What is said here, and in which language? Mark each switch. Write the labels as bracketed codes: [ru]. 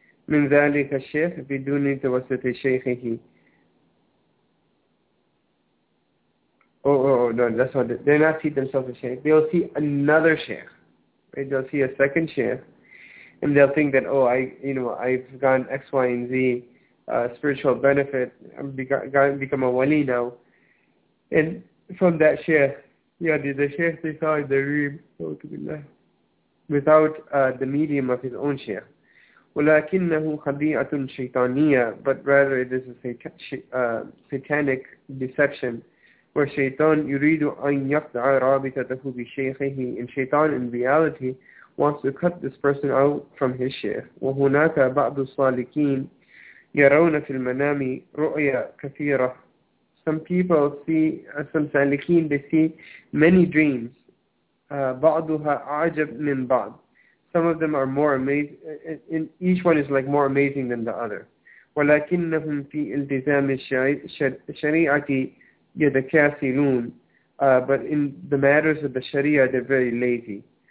[ar] من ذلك الشيخ بدون توسط شيخه. [en] Oh, no, that's not it. They're not seeing themselves as sheikh. They'll see another sheikh. Right? They'll see a second sheikh. And they'll think that, oh, I've gotten X, Y, and Z spiritual benefit. I've become a wali now. And from that sheikh, yeah, the sheikh they saw in the room, without the medium of his own sheikh. [ar] ولكنه خديعة شيطانية, [en] but rather it is a satanic deception. Where Shaitan [ar] يريد أن يقطع رابطته بشيخه, [en] and Shaitan in reality wants to cut this person out from his sheikh. [ar] وهناك بعض الصالحين يرون في المنام رؤيا كثيرة. [en] Some people see, some صالحين they see many dreams. [ar] بعضها أعجب من بعض. [en] Some of them are more amazing, and each one is like more amazing than the other. [ar] ولكنهم في التزام الشريعة يتكاسلون, [en] but in the matters of the Sharia, they're very lazy.